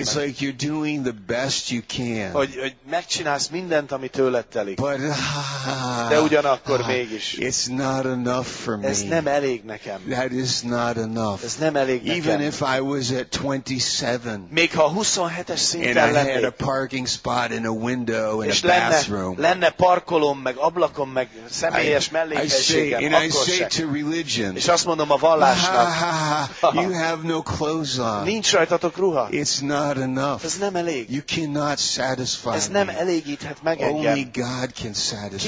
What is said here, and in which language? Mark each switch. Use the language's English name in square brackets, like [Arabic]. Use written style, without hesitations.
[English] It's like you're doing the best you can. [Hungarian] Hogy megcsinálsz mindent, ami tőled telik. [English] But, [Hungarian] de ugyanakkor mégis. [English] It's not enough for me. [Hungarian] Ez nem elég nekem. [English] That is not enough. [Hungarian] Ez nem elég nekem. [English] Even if I was at 27. [Hungarian] Még ha 27-es szinten lennék. [English] And I had a parking spot and a window and a bathroom. [Hungarian] Lenne parkolom, meg ablakom, meg személyes mellékhelységem, akkor [English] se. I say to religion. [Hungarian] És azt mondom a vallásnak. [English] You have no clothes on. [Hungarian] Nincs rajtatok ruha. [English] It's not enough. [Hungarian] Ez nem elég. [English] You cannot satisfy. [Hungarian] Ez nem elégíthet meg engem. [English] Only God can satisfy.